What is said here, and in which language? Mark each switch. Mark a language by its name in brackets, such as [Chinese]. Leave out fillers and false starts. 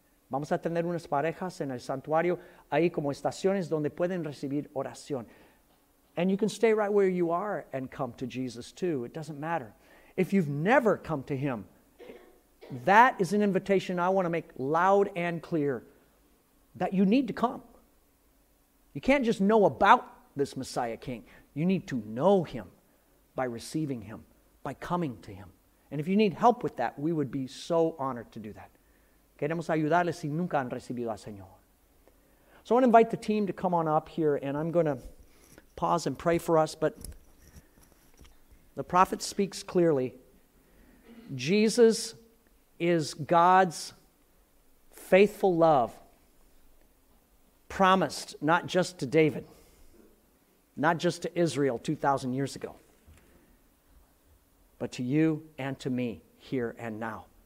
[Spanish] Vamos a tener unas parejas en el santuario, ahí como estaciones donde pueden recibir oración. [English] And you can stay right where you are and come to Jesus too. It doesn't matter. If you've never come to Him, that is an invitation I want to make loud and clear, that you need to come. You can't just know about this Messiah King. You need to know Him by receiving Him, by coming to Him. And if you need help with that, we would be so honored to do that. [Spanish] Queremos ayudarles si nunca han recibido al Señor. [English] So I want to invite the team to come on up here, and I'm going to pause and pray for us. But the prophet speaks clearly. Jesus is God's faithful love promised not just to David, not just to Israel 2,000 years ago, but to you and to me here and now.